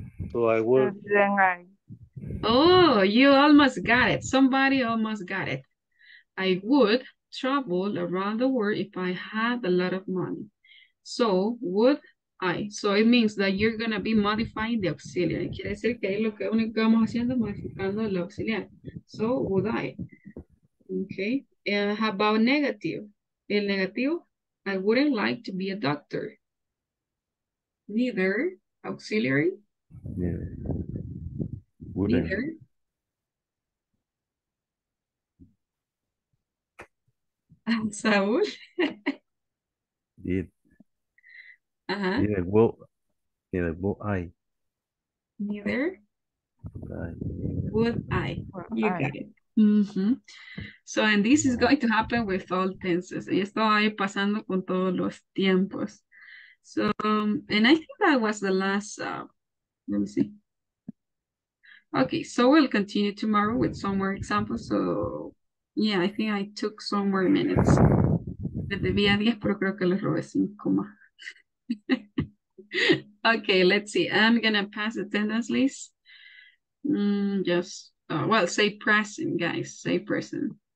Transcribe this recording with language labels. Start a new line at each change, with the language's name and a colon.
English: So I would. Oh, you almost got it. Somebody almost got it. I would travel around the world if I had a lot of money. So would I. So it means that you're going to be modifying the auxiliary.
Spanish: Quiere decir que es lo que estamos haciendo, modificando el auxiliar.
English: So would I. Okay. And how about negative?
Spanish: El negativo.
English: I wouldn't like to be a doctor. Neither auxiliary. Yeah. Wouldn't. Neither. And Saul. Did. Neither would I. Neither. Would I? You get it. Mm-hmm. So, and this is going to happen with all tenses.
Spanish: Y esto va a ir pasando con todos los tiempos.
English: So, and I think that was the last, let me see. Okay, so we'll continue tomorrow with some more examples. So, yeah, I think I took some more minutes.
Spanish: Me debía 10, pero creo que les robé 5 más.
English: Okay, let's see. I'm going to pass the attendance list. Well, say present, guys. Say present.